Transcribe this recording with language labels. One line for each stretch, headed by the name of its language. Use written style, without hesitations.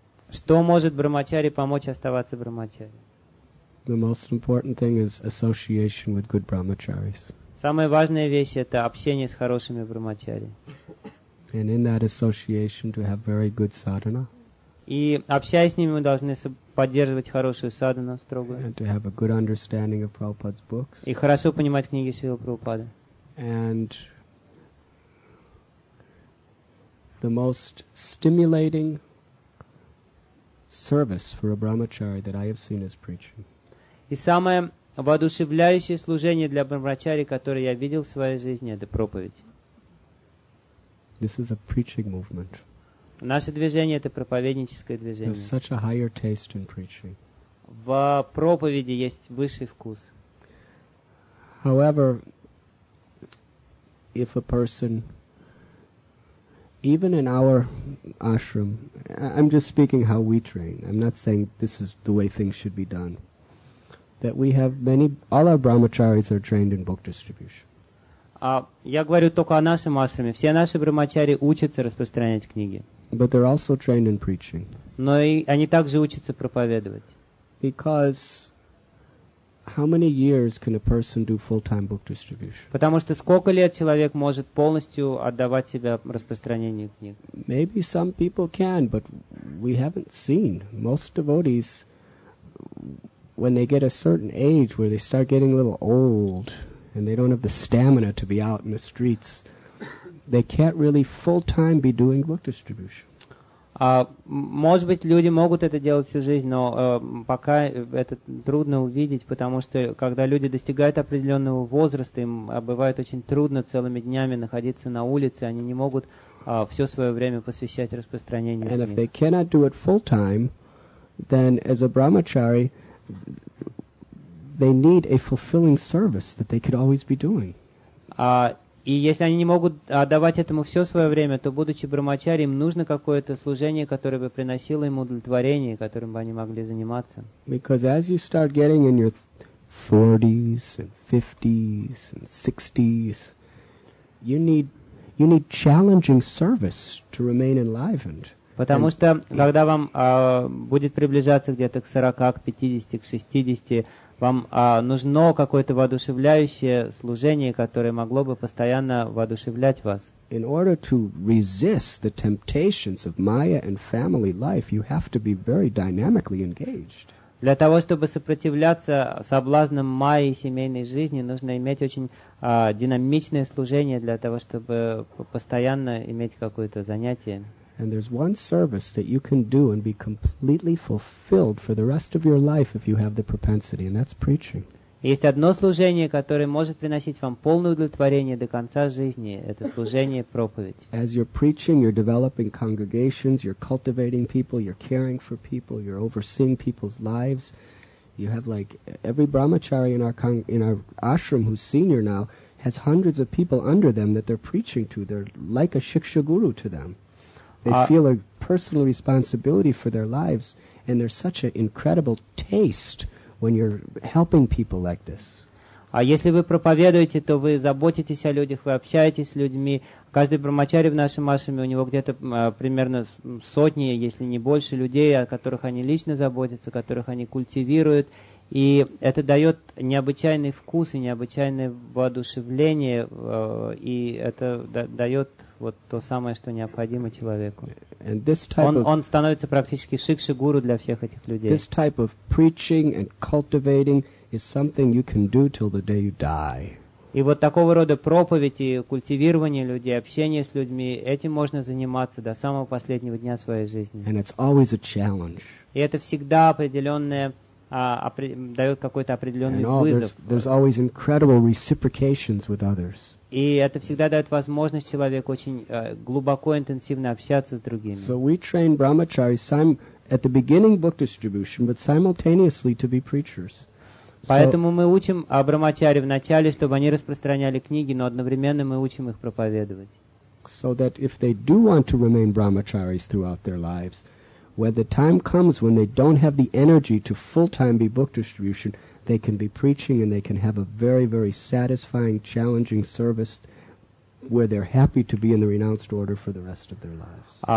Russian: Что может брахмачари помочь оставаться брахмачари?
English: The most important thing is association with good brahmacharis.
Russian: Самая важная вещь — это общение с хорошими брахмачари.
English: And in that association to have very good sadhana.
Russian: И общаясь с ними, мы должны поддерживать хорошую садхану строгую.
English: And to have a good understanding of Prabhupada's books.
Russian: И хорошо понимать книги Шрилы Прабхупады.
English: And the most stimulating service for a brahmachari that I have seen is preaching.
Russian: И самое воодушевляющее служение для брахмачари, которое я видел в своей жизни, это проповедь.
English: This is a preaching movement.
Russian: Наше движение — это проповедническое движение.
English: There's such a higher taste in preaching.
Russian: В проповеди есть высший вкус.
English: However, if a person, even in our ashram, I'm just speaking how we train. I'm not saying this is the way things should be done. That we have many, all our brahmacharis are trained in book distribution.
Russian: Я говорю только о нашем ашраме. Все наши брахмачари учатся распространять книги.
English: But they're also trained in preaching.
Russian: Но и они также учатся проповедовать.
English: Because how many years can a person do full-time book distribution?
Russian: Потому что сколько лет человек может полностью отдавать себя распространению книг?
English: Maybe some people can, but we haven't seen. Most devotees, when they get a certain age where they start getting a little old, and they don't have the stamina to be out in the streets, they can't really full-time be doing book distribution.
Russian: Может быть, люди могут это делать всю жизнь, но пока это трудно увидеть, потому что когда люди достигают определенного возраста, им бывает очень трудно целыми днями находиться на улице, они не могут все свое время посвящать распространению.
English: And if they cannot do it full-time, then as a brahmachari, they need a fulfilling service that they could always be doing.
Russian: И если они не могут отдавать этому все свое время, то, будучи брахмачари, им нужно какое-то служение, которое бы приносило им удовлетворение, которым бы они могли заниматься.
English: Because as you start getting in your 40s and 50s and 60s, you need challenging service to remain enlivened.
Russian: Потому что, когда вам будет приближаться где-то к 40, к 50, к 60, вам нужно какое-то воодушевляющее служение, которое могло бы постоянно воодушевлять вас.
English: In order to resist the temptations of Maya and family life, you have to be very dynamically engaged.
Russian: Для того, чтобы сопротивляться соблазнам Майи и семейной жизни, нужно иметь очень динамичное служение для того, чтобы постоянно иметь какое-то занятие.
English: And there's one service that you can do and be completely fulfilled for the rest of your life if you have the propensity, and that's preaching.
Russian: Есть одно служение, которое может приносить вам полное удовлетворение до конца жизни. Это служение проповедь.
English: As you're preaching, you're developing congregations, you're cultivating people, you're caring for people, you're overseeing people's lives. You have like every brahmachari in our ashram who's senior now has hundreds of people under them that they're preaching to. They're like a shiksha guru to them. They feel a personal responsibility for their lives, and there's such an incredible taste when you're helping people like this.
Russian: А если вы проповедуете, то вы заботитесь о людях, вы общаетесь с людьми. Каждый брахмачари в нашем ашраме, у него где-то примерно сотни, если не больше, людей, о которых они лично заботятся, которых они культивируют. И это дает необычайный вкус и необычайное воодушевление, и это дает вот то самое, что необходимо человеку. Он становится практически шикши-гуру для всех этих людей.
English: This type of preaching and cultivating is something you can do till the day you die.
Russian: И вот такого рода проповедь и культивирование людей, общение с людьми, этим можно заниматься до самого последнего дня своей жизни.
English: And it's always a challenge.
Russian: И это всегда определенное. Дает какой-то определенный вызов.
English: There's always incredible reciprocations with others.
Russian: И это всегда дает возможность человеку очень глубоко, интенсивно общаться с другими.
English: So we train brahmachari at the beginning book distribution, but simultaneously to be preachers.
Russian: Поэтому мы учим брахмачари в начале, чтобы они распространяли книги, но одновременно мы учим их проповедовать.
English: So that if they do want to remain brahmacharis throughout their lives, when the time comes when they don't have the energy to full-time be book distribution, they can be preaching and they can have a very, very satisfying, challenging service where they're happy to be in the renounced order for the rest of their lives.